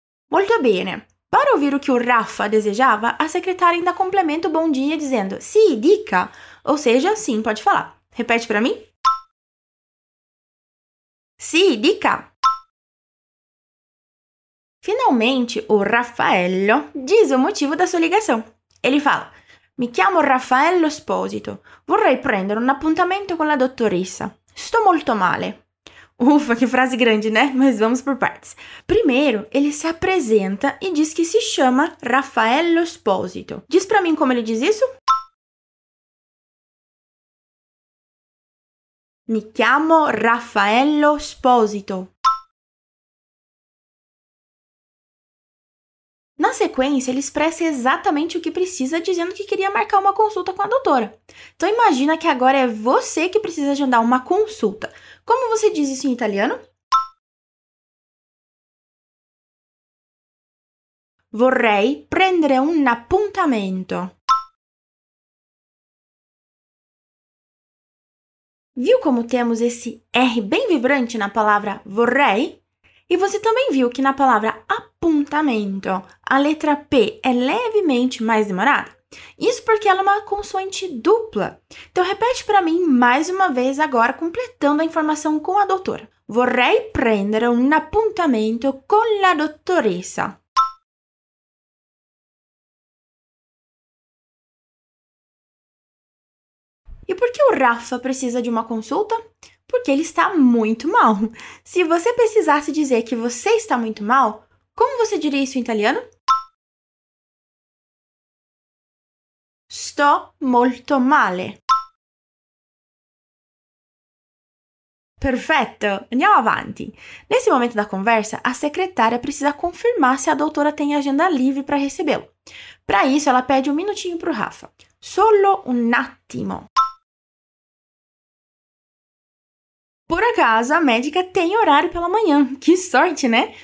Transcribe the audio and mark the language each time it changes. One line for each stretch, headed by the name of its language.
Italian: Molto bene.
Portuguese: Para ouvir o que o Rafa desejava, a secretária ainda complementa o bom dia dizendo
Italian: sì, dica,
Portuguese: ou seja, sim, pode falar. Repete para mim.
Italian: Sì, dica.
Portuguese: Finalmente, o Raffaello diz o motivo da sua ligação. Ele fala,
Italian: mi chiamo Raffaello Esposito, vorrei prendere un appuntamento con la dottoressa. Sto molto male.
Portuguese: Ufa, que frase grande, né? Mas vamos por partes. Primeiro, ele se apresenta e diz que se chama Raffaello Esposito. Diz pra mim como ele diz isso?
Italian: Mi chiamo Raffaello Esposito.
Portuguese: sequência, ele expressa exatamente o que precisa, dizendo que queria marcar uma consulta com a doutora. Então imagina que agora é você que precisa agendar uma consulta. Como você diz isso em italiano?
Italian: Vorrei prendere un appuntamento.
Portuguese: Viu como temos esse R bem vibrante na palavra vorrei? E você também viu que na palavra appuntamento, a letra P é levemente mais demorada? Isso porque ela é uma consoante dupla. Então, repete para mim mais uma vez agora, completando a informação com a doutora.
Italian: Vorrei prendere un appuntamento con la dottoressa.
Portuguese: E por que o Rafa precisa de uma consulta? Porque ele está muito mal. Se você precisasse dizer que você está muito mal, como você diria isso em italiano?
Italian: Sto molto male. Perfetto, andiamo avanti.
Portuguese: Nesse momento da conversa, a secretária precisa confirmar se a doutora tem agenda livre para recebê-lo. Para isso, ela pede um minutinho para o Rafa.
Italian: Solo un attimo.
Portuguese: Por acaso, a médica tem horário pela manhã. Que sorte, né?